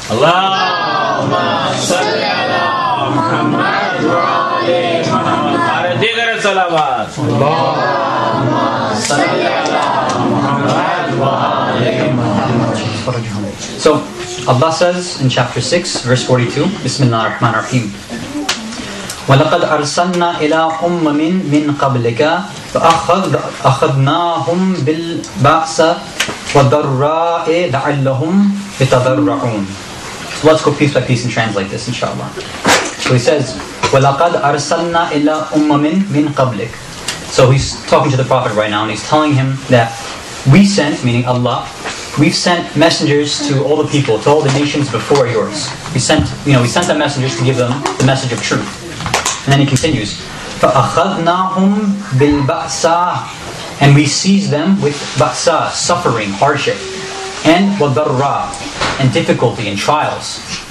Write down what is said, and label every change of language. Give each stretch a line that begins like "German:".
Arabic: Allahumma salli ala Muhammad wa ali Muhammad.
Persian: Digar salawat.
Arabic: Allahumma salli ala Muhammad wa ali Muhammad.
English: So, Allah says in chapter 6, verse 42,
Arabic: Bismillah ar-Rahman ar-Rahim. وَلَقَدْ أَرْسَلْنَا إِلَىٰ أُمَّمٍ مِّنْ قَبْلِكَ فَأَخَذْنَاهُمْ بِالْبَأْسَ وَضَرَّاءِ لَعَلَّهُمْ يَتَضَرَّعُونَ
English: So let's go piece by piece and translate this, inshallah. So he says,
Arabic: وَلَقَدْ أَرْسَلْنَا إِلَىٰ أُمَّمٍ مِّنْ قَبْلِكَ
English: So he's talking to the Prophet right now, and he's telling him that we sent, meaning Allah, we've sent messengers to all the people, to all the nations before yours. We sent the messengers to give them the message of truth. And then he continues,
Arabic: فَأَخَذْنَاهُمْ بِالْبَأْسَىٰ
English: And we seize them with ba'sa, suffering, hardship, and wadarra, and difficulty, and trials.